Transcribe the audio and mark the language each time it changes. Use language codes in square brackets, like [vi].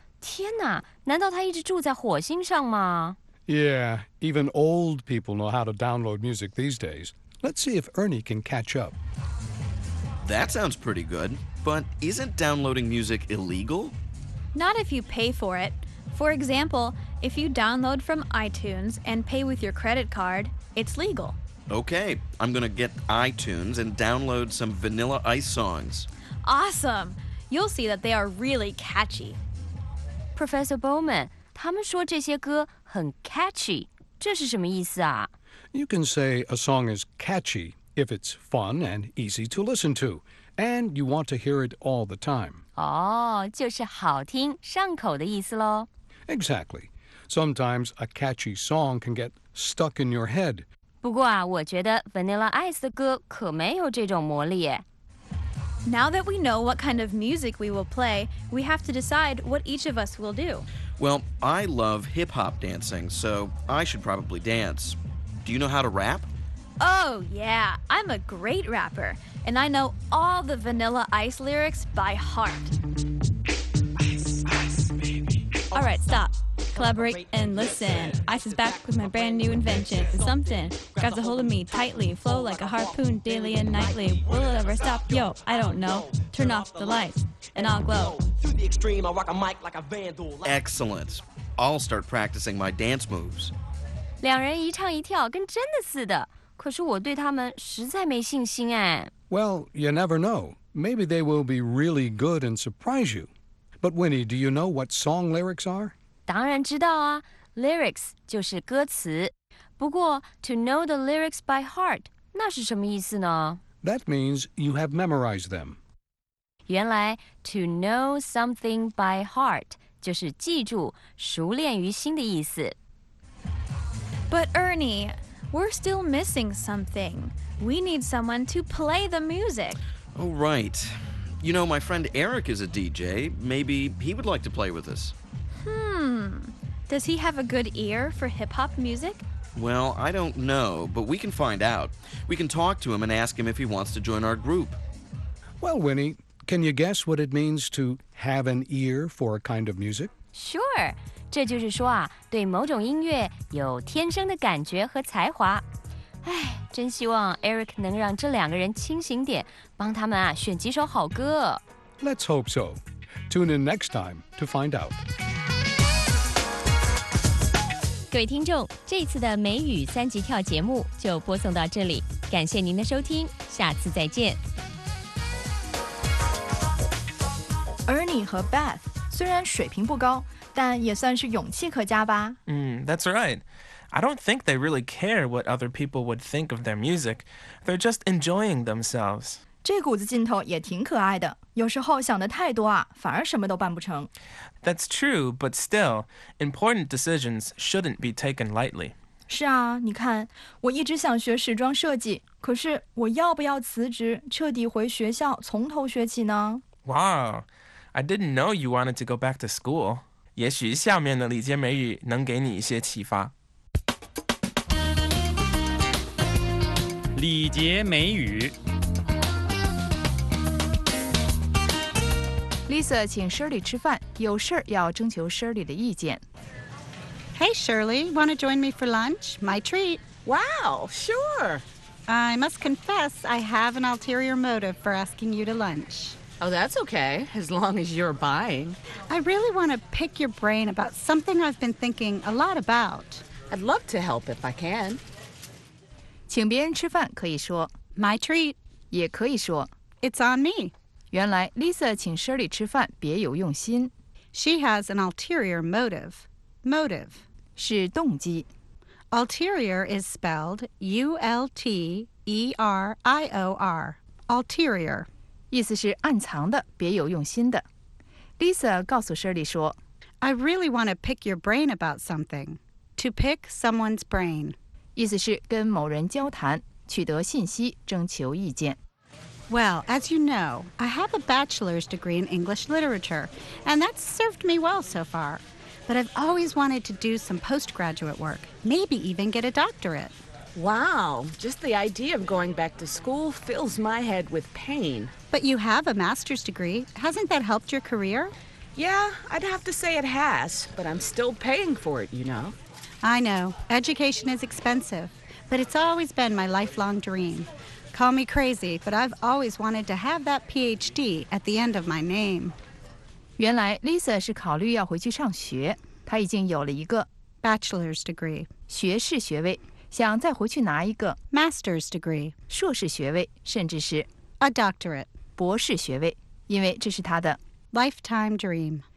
[zh] 天哪，难道他一直住在火星上吗？ [en] Yeah, even old people know how to download music these days. Let's see if Ernie can catch up. That sounds pretty good, but isn't downloading music illegal? Not if you pay for it. For example, if you download from iTunes and pay with your credit card, it's legal. Okay, I'm gonna get iTunes and download some Vanilla Ice songs. Awesome! You'll see that they are really catchy. [zh] Professor Bowman,他们说这些歌很 catchy, 这是什么意思啊? [en] You can say a song is catchy if it's fun and easy to listen to, and you want to hear it all the time. [zh] 哦,就是好听,上口的意思咯。 [en] Exactly. Sometimes a catchy song can get stuck in your head. [zh] 不过啊,我觉得 Vanilla Ice 的歌可没有这种魔力耶。 [en] Now that we know what kind of music we will play, we have to decide what each of us will do. Well, I love hip-hop dancing, so I should probably dance. Do you know how to rap? Oh, yeah. I'm a great rapper, and I know all the Vanilla Ice lyrics by heart. All right, stop. Collaborate and listen. Ice is back with my brand new invention. It's something. Grabs a hold of me tightly. Flow like a harpoon daily and nightly. Will it ever stop? Yo, I don't know. Turn off the lights and I'll glow. Through the extreme, I rock a mic like a vandal. Excellent. I'll start practicing my dance moves. [zh] 两人一唱一跳跟真的似的。可是我对他们实在没信心哎。 [en] Well, you never know. Maybe they will be really good and surprise you. But Winnie, do you know what song lyrics are? [zh] 当然知道啊 ,lyrics 就是歌词。不过 , [en] to know the lyrics by heart, [zh] 那是什么意思呢 [en] ?That means you have memorized them. [zh] 原来 , [en] to know something by heart, [zh] 就是记住熟练于心的意思。 [en] But Ernie, we're still missing something. We need someone to play the music. Oh, right. You know, my friend Eric is a DJ. Maybe he would like to play with us. Does he have a good ear for hip-hop music? Well, I don't know, but we can find out. We can talk to him and ask him if he wants to join our group. Well, Winnie, can you guess what it means to have an ear for a kind of music? Sure. [zh] 这就是说啊，对某种音乐有天生的感觉和才华。唉，真希望 Eric 能让这两个人清醒点，帮他们啊选几首好歌。 [en] Let's hope so. Tune in next time to find out. [zh] 各位听众，这次的美语三级跳节目就播送到这里，感谢您的收听，下次再见。 Ernie 和 Beth 虽然水平不高，但也算是勇气可嘉吧。 [en] That's right. I don't think they really care what other people would think of their music. They're just enjoying themselves. [zh] 这股子劲头也挺可爱的。有时候想得太多啊，反而什么都办不成。 [en] That's true, but still, important decisions shouldn't be taken lightly. [zh] 是啊，你看，我一直想学时装设计，可是我要不要辞职，彻底回学校，从头学起呢？ [en] Wow, I didn't know you wanted to go back to school. [zh] 也许下面的理解美语能给你一些启发。理解美语 Lisa 请 Shirley 吃饭，有事要征求 Shirley 的意见。 [en] Hey Shirley, want to join me for lunch? My treat. Wow, sure. I must confess, I have an ulterior motive for asking you to lunch. Oh, that's okay, as long as you're buying. I really want to pick your brain about something I've been thinking a lot about. I'd love to help if I can. [zh] 请别人吃饭可以说 [en] My treat. [zh] 也可以说 [en] It's on me. [zh] 原来 Lisa 请 Shirley 吃饭别有用心。 [en] She has an ulterior motive. Motive [zh] 是动机。 [en] Ulterior is spelled U-L-T-E-R-I-O-R. Ulterior [zh] 意思是暗藏的，别有用心的。 Lisa 告诉 Shirley 说 [en] I really want to pick your brain about something. To pick someone's brain [zh] 意思是跟某人交谈，取得信息，征求意见。 [en] Well, as you know, I have a bachelor's degree in English literature, and that's served me well so far. But I've always wanted to do some postgraduate work, maybe even get a doctorate. Wow, just the idea of going back to school fills my head with pain. But you have a master's degree. Hasn't that helped your career? Yeah, I'd have to say it has, but I'm still paying for it, you know. I know, education is expensive, but it's always been my lifelong dream. Call me crazy, but I've always wanted to have that PhD at the end of my name. [zh] 原来 Lisa 是考虑要回去上学，她已经有了一个 [en] bachelor's degree [zh] 学士学位，想再回去拿一个 [en] master's degree [zh] 硕士学位，甚至是 [en] a doctorate [zh] 博士学位，因为这是她的 [en] lifetime dream